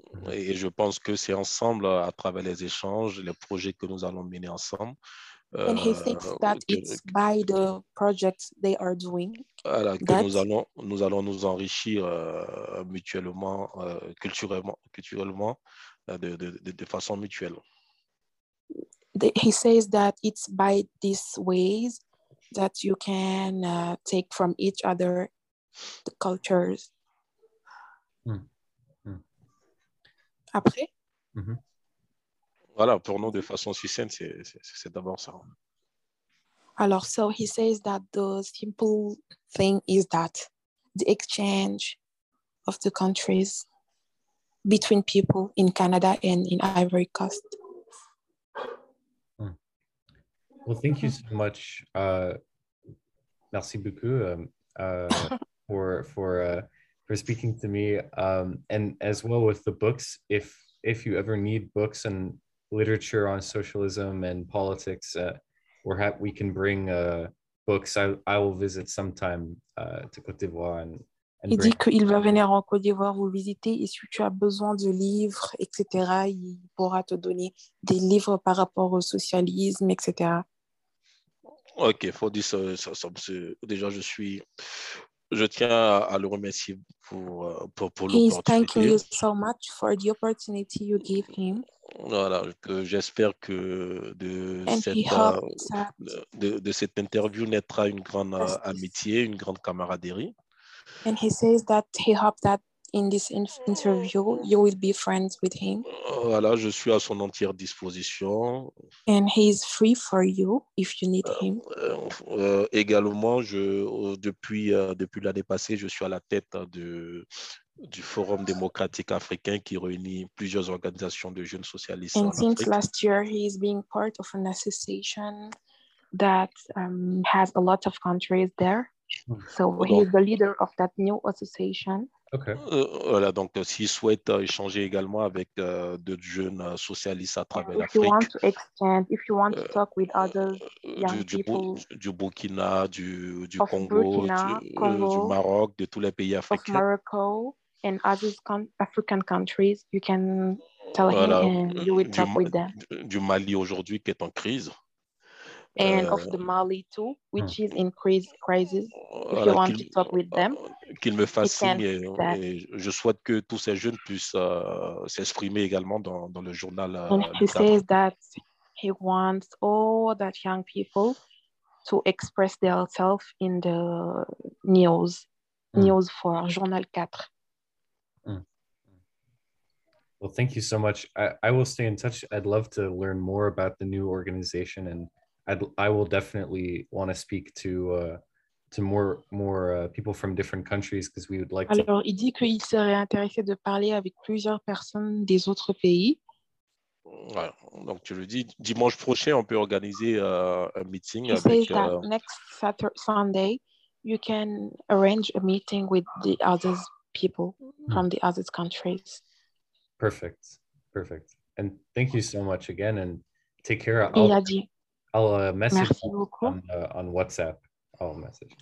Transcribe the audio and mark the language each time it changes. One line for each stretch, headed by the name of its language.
French: Et je pense que c'est ensemble, à travers les échanges, les projets que nous allons mener ensemble.
English: And he thinks that it's by the projects they are doing.
French: Voilà, que nous allons nous enrichir mutuellement, culturellement, de façon mutuelle.
English: He says that it's by these ways that you can take from each other the cultures.
French: Après. Voilà, pour nous, de façon succincte, c'est d'abord ça.
English: Alors, so he says that the simple thing is that the exchange of the countries between people in Canada and in Ivory Coast. Well, thank you so much.
French: Merci beaucoup
English: for speaking to me. And as well with the books, if you ever need books and literature on socialism and politics, we can bring books. I will visit sometime to Côte d'Ivoire.
French: Il dit qu'il va venir en Côte d'Ivoire vous visiter, et si tu as besoin de livres, etc., il pourra te donner des livres par rapport au socialisme, etc. Ok, faut dire ça. Déjà, je tiens à le remercier pour l'opportunité.
English: He's thanking you so much for the opportunity you gave him.
French: Voilà, que j'espère que de cette interview naîtra une grande amitié, une grande camaraderie.
English: And he says that he hopes that in this interview you will be friends with him.
French: Voilà, je suis à son entière disposition.
English: And he is free for you if you need him.
French: Également, depuis l'année passée, je suis à la tête du Forum démocratique africain qui réunit plusieurs organisations de jeunes socialistes en Afrique.
English: And since last year, he is being part of an association that has a lot of countries there. So he is the leader of that new association. Okay.
French: Voilà, donc s'il souhaite échanger également avec d'autres jeunes socialistes à travers l'Afrique.
English: If you want to exchange, if you want to talk with other young people.
French: Du Burkina, du Congo, du Maroc, de tous les pays africains.
English: Of Morocco and other African countries, you can tell him and you will talk with them.
French: Du Mali aujourd'hui qui est en crise.
English: And of the Mali too, which is in crisis. If you want to talk with them,
French: qu'il me fasse signe. Je souhaite que tous ces jeunes puissent s'exprimer également dans le journal.
English: And he says that he wants all that young people to express themselves in the news, news for Journal 4. Well, thank you so much. I will stay in touch. I'd love to learn more about the new organization, and I will definitely want to speak to more people from different countries, because we would like to.
French: Alors, il dit qu'il serait intéressé de parler avec plusieurs personnes des autres pays. Ouais, donc tu le dis, dimanche prochain, on peut organiser un meeting.
English: He says that next Sunday, you can arrange a meeting with the other people from the other countries. Perfect, perfect. And thank you so much again, and take care.
French: Il a dit.
English: I'll message on WhatsApp. I'll message.